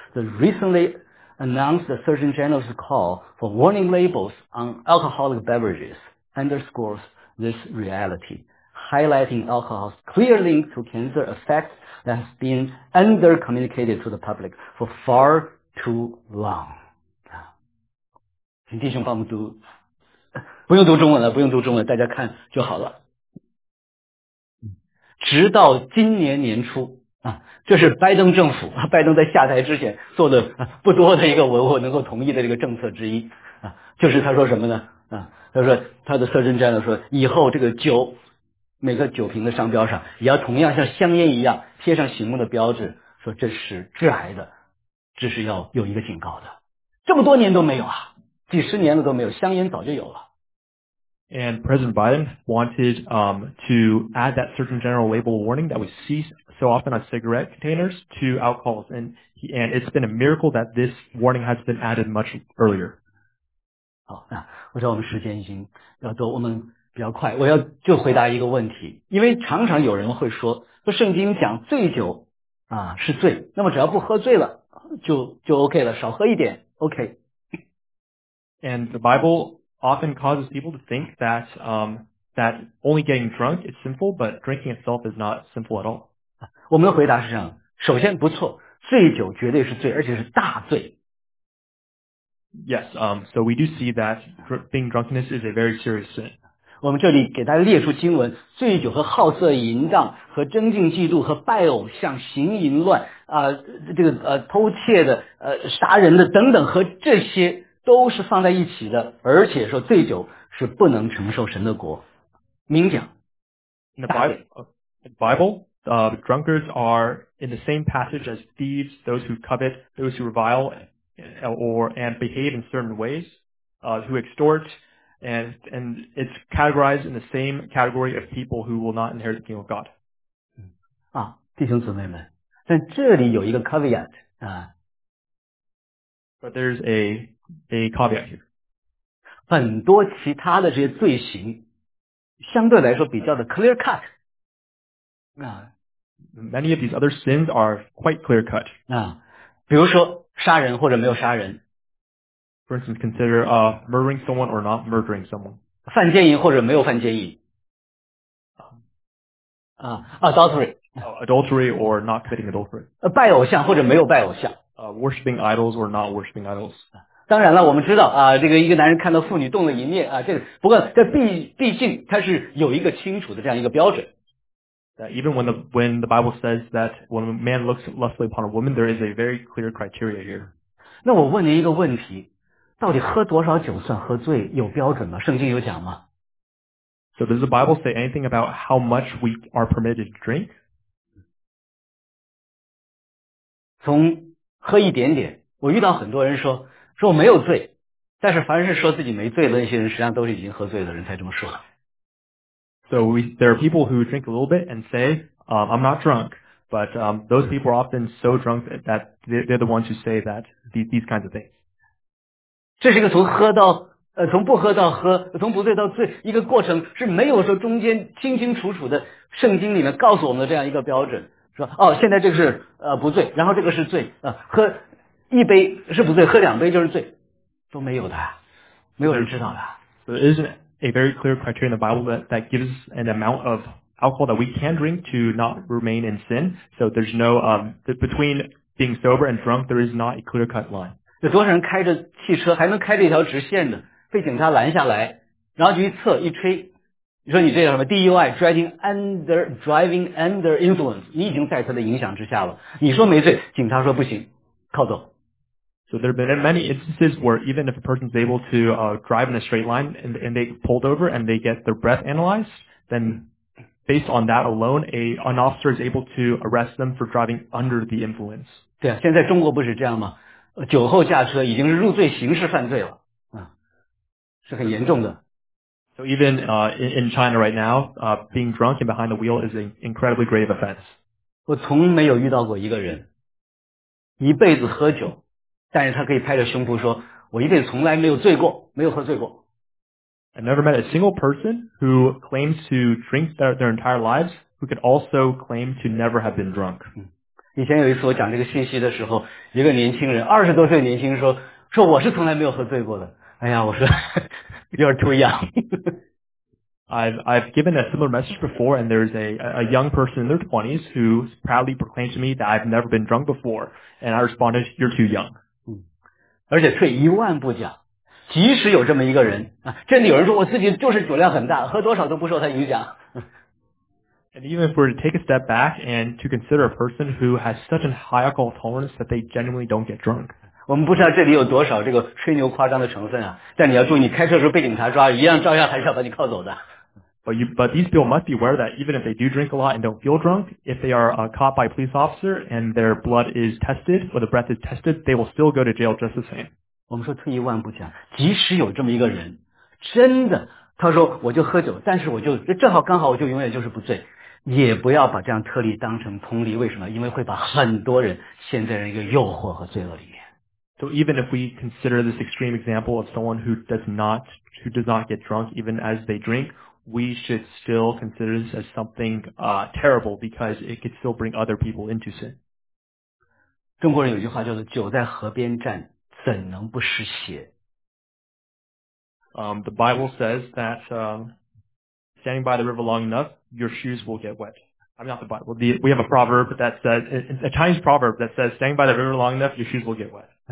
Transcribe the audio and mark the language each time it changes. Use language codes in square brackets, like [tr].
[en] The recently announced Surgeon General's call for warning labels on alcoholic beverages underscores this reality, highlighting alcohol's clear link to cancer effects that has been under-communicated to the public for far too long. [zh] 请弟兄帮我们读，不用读中文了，不用读中文，大家看就好了。直到今年年初啊，这是拜登政府，拜登在下台之前做的不多的一个我能够同意的这个政策之一啊，就是他说什么呢？啊，他说他的Surgeon General说，以后这个酒，每个酒瓶的商标上也要同样像香烟一样贴上醒目的标志，说这是致癌的，这是要有一个警告的。这么多年都没有啊，几十年了都没有，香烟早就有了。 [en] And President Biden wanted to add that Surgeon General label warning that we see so often on cigarette containers to alcohols, and it's been a miracle that this warning has been added much earlier. [zh] 好，那我知道我们时间已经要多，我们比较快，我要就回答一个问题，因为常常有人会说，说圣经讲醉酒啊是醉，那么只要不喝醉了就 OK 了，少喝一点 OK。 [en] And the Bible often causes people to think that that only getting drunk is sinful, but drinking itself is not sinful at all. [zh] 我们的回答是这样，首先不错，醉酒绝对是醉，而且是大醉。 [en] Yes, so we do see that being drunkenness is a very serious sin. [zh] 我们这里给大家列出经文，醉酒和好色淫荡和争竞嫉妒和拜偶像行淫乱啊、这个偷窃的杀人的等等和这些都是放在一起的，而且说醉酒是不能承受神的国，明讲。 [en] In the Bible, drunkards are in the same passage as thieves, those who covet, those who revile, and behave in certain ways, who extort, and it's categorized in the same category of people who will not inherit the kingdom of God. [zh] 啊，弟兄姊妹们，但这里有一个 caveat 啊。 [en] But there's a caveat here. [zh] 很多其他的这些罪行相对来说比较的 [en] clear cut. Many of these other sins are quite clear cut. [zh] 比如说杀人或者没有杀人。 [en] For instance, consider murdering someone or not murdering someone. [zh] 犯奸淫或者没有犯奸淫。 [en] Adultery. Adultery or not committing adultery. [zh] 拜偶像或者没有拜偶像。 [en] Worshipping idols or not worshipping idols. [zh] 当然了，我们知道啊，这个一个男人看到妇女动了淫念啊，这个不过这毕竟它是有一个清楚的这样一个标准。 [en] That even when the Bible says that when a man looks lustfully upon a woman, there is a very clear criteria here. [zh] 那我问您一个问题，到底喝多少酒算喝醉？有标准吗？圣经有讲吗 [en] ？So does the Bible say anything about how much we are permitted to drink? [zh] 从喝一点点，我遇到很多人说我没有醉，但是凡是说自己没醉的那些人，实际上都是已经喝醉的人才这么说。 [en] So there are people who drink a little bit and say, "I'm not drunk," but those people are often so drunk that they're the ones who say that these kinds of things. [zh] 这是一个从喝到从不喝到喝，从不醉到醉一个过程，是没有说中间清清楚楚的圣经里面告诉我们的这样一个标准。说哦，现在这个是不醉，然后这个是醉啊，喝一杯是不醉，喝两杯就是醉，都没有的，没有人知道的。 [en] There isn't a very clear criteria in the Bible that gives an amount of alcohol that we can drink to not remain in sin. So there's no between being sober and drunk, there is not a clear cut line. [zh] 有多少人开着汽车还能开着一条直线的，被警察拦下来，然后就一测一吹，你说你这叫什么 DUI， [en] driving under influence， [zh] 你已经在他的影响之下了，你说没罪，警察说不行，靠走。 [en] So there have been many instances where even if a person is able to drive in a straight line and they pulled over and they get their breath analyzed, then based on that alone, an officer is able to arrest them for driving under the influence. [zh] 对，现在中国不是这样吗？酒后驾车已经是入罪刑事犯罪了，是很严重的。 [en] So even in China right now, being drunk and behind the wheel is an incredibly grave offense. [zh] 我从没有遇到过一个人一辈子喝酒，但是他可以拍着胸脯说，我一辈子从来没有醉过，没有喝醉过。 [en] I never met a single person who claims to drink their entire lives who could also claim to never have been drunk. [zh] 以前有一次我讲这个信息的时候，一个年轻人，二十多岁的年轻人说我是从来没有喝醉过的。哎呀，我说 [en] You're too young. I've given a similar message before, and there's a young person in their 20s who proudly proclaims to me that I've never been drunk before, and I responded, "You're too young." [zh] 而且退一万步讲，即使有这么一个人啊，真的有人说我自己就是酒量很大，喝多少都不受他影响。 [en] And even if we were to take a step back and to consider a person who has such a high alcohol tolerance that they genuinely don't get drunk. [zh] 我们不知道这里有多少这个吹牛夸张的成分啊，但你要注意，你开车的时候被警察抓，一样照样还是要把你铐走的。 [en] But these people must be aware that even if they do drink a lot and don't feel drunk, if they are caught by a police officer and their blood is tested or the breath is tested, they will still go to jail just the same. [zh] 我们说退一万步讲，即使有这么一个人，真的，他说我就喝酒，但是我就正好刚好我就永远就是不醉，也不要把这样特例当成通例。为什么？因为会把很多人陷在一个诱惑和罪恶里面。 [en] So even if we consider this extreme example of someone who does not get drunk even as they drink, we should still consider this as something terrible because it could still bring other people into sin. [zh] 中国人有句话叫做酒在河边站，怎能不湿鞋。 [en] The Bible says that standing by the river long enough, your shoes will get wet. We have a proverb that says, a Chinese proverb that says, standing by the river long enough, your shoes will get wet.